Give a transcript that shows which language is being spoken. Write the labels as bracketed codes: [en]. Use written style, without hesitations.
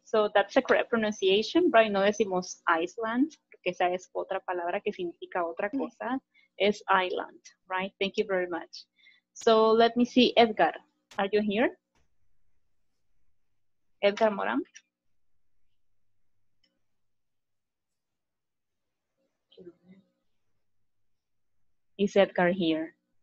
[en] So that's a correct pronunciation, right? [es] No decimos Iceland. Que esa es otra palabra que significa otra cosa, es island, right? [en] Thank you very much. So, let me see, Edgar, are you here? Edgar Moran? Is Edgar here?